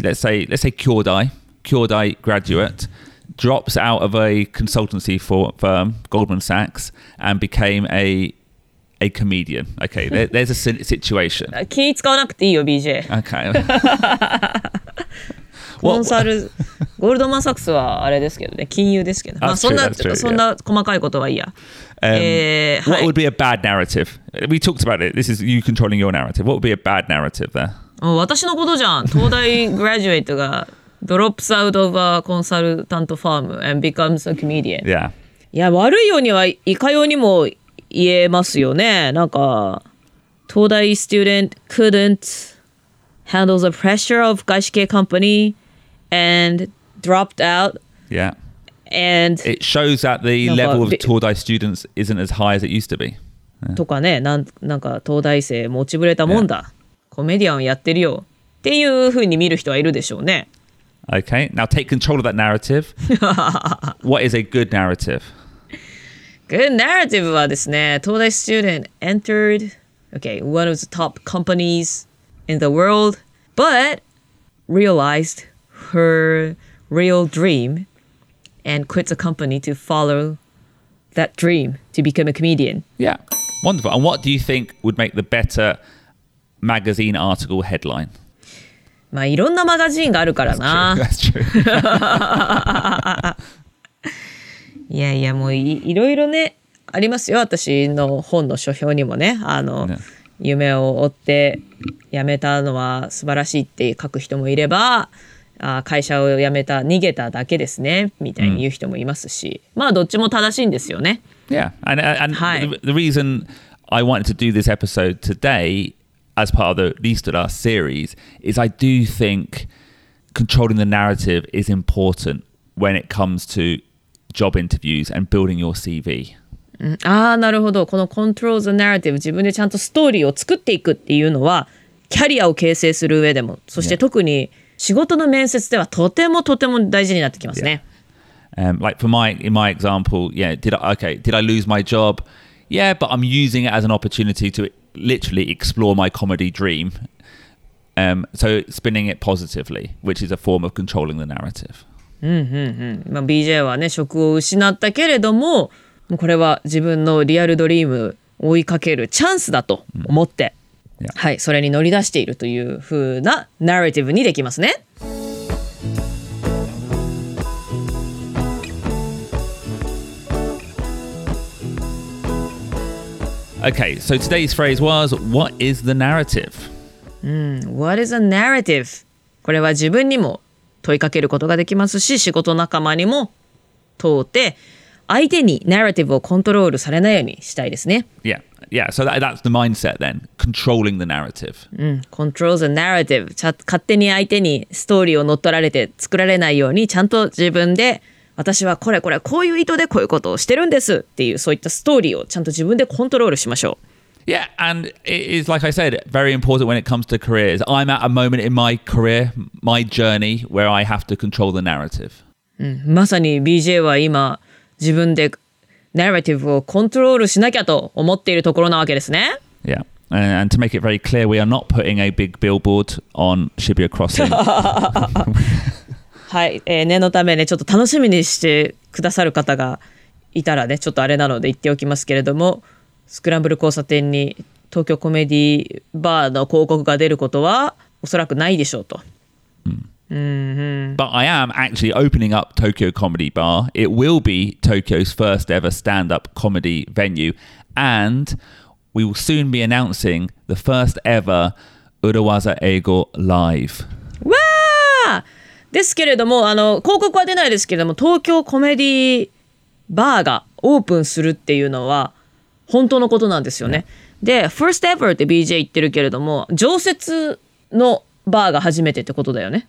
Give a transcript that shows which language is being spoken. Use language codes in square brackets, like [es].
[en] Let's say Kyodai. Kyodai graduate drops out of a consultancy firm, Goldman Sachs, and became a comedian. Okay, there's a situation. [ja] 気使わなくていいよ、BJ. [en] Okay. [ja] コンサル、ゴールドマンサックスはあれですけどね、金融ですけど。まあそんな、そんな細かいことはいいや。 [en] What would be a bad narrative? We talked about it. This is you controlling your narrative. What would be a bad narrative there? [ja] 私のことじゃん。 [en] 東大 graduate が drops out of a consultant firm and becomes a comedian. Yeah. [ja] いや、悪いようにはいかようにも言えますよね。なんか [en] 東大 student couldn't handle the pressure of 外資系 company and dropped out. Yeah. And it shows that the level of 東大 students isn't as high as it used to be. [ja] とかね、なんか東大生持ちぶれたもんだ。コメディアンやってるよ。っていう風に見る人はいるでしょうね。 [en] Okay. Now take control of that narrative. What is a good narrative? Good narrative [ja] はですね、 [en] 東大 student entered, okay, one of the top companies in the world, but realized her real dream and quit the company to follow that dream to become a comedian. Yeah, wonderful. And what do you think would make the better magazine article headline? [ja] まあ、いろんなマガジンがあるからな。 [en] That's true. [ja] いやいやもう いろいろねありますよ私の本の書評にもねあの、yeah. 夢を追って辞めたのは素晴らしいって書く人もいればあ会社を辞めた逃げただけですねみたいに言う人もいますし、mm. まあどっちも正しいんですよね [en] Yeah and、はい、the reason I wanted to do this episode today as part of the Listora series is I do think controlling the narrative is important when it comes toJob interviews and building your CV. [ja] ああ、なるほど。このコントロールザナラティブ、自分でちゃんとストーリーを作っていくっていうのは、キャリアを形成する上でも、そして特に仕事の面接ではとてもとても大事になってきますね。 [en] Yeah. Like for my example, yeah, did I lose my job? Yeah, but I'm using it as an opportunity to literally explore my comedy dream. So spinning it positively, which is a form of controlling the narrative. [ja] うんうんうんまあ、BJ はね職を失ったけれどもこれは自分のリアルドリームを追いかけるチャンスだと思って、mm. [en] yeah. [ja] はい、それに乗り出しているというふうなナラティブにできますね [en] Okay, so today's phrase was What is the narrative?、 Mm. What is a narrative? [ja] これは自分にも問いかけることができますし仕事仲間にも通って相手にナラティブをコントロールされないようにしたいですね [en] Yeah, yeah. So that's the mindset then controlling the narrative、 [ja] うん、 [en] control the narrative [ja] 勝手に相手にストーリーを乗っ取られて作られないようにちゃんと自分で私はこれこれこういう意図でこういうことをしてるんですっていうそういったストーリーをちゃんと自分でコントロールしましょう [en] Yeah, and it is, like I said, very important when it comes to careers. I'm at a moment in my career, my journey, where I have to control the narrative. [ja] まさに BJ は今自分でナラティブをコントロールしなきゃと思っているところなわけですね。 [en] Yeah, and to make it very clear, we are not putting a big billboard on Shibuya Crossing. [ja] はい、念のためね、ちょっと楽しみにしてくださる方がいたらね、ちょっとあれなので言っておきますけれども、スクランブル交差点に東京コメディーバーの広告が出ることはおそらくないでしょうと。 Mm. Mm-hmm. [en] But I am actually opening up Tokyo Comedy Bar. It will be Tokyo's first ever stand-up comedy venue. And we will soon be announcing the first ever [ja] 裏技英語ライブ。わーですけれども、あの広告は出ないですけれども、東京コメディバーがオープンするっていうのは本当のことなんですよね。で、first ever って BJ 言ってるけれども、常設のバーが初めてってことだよね。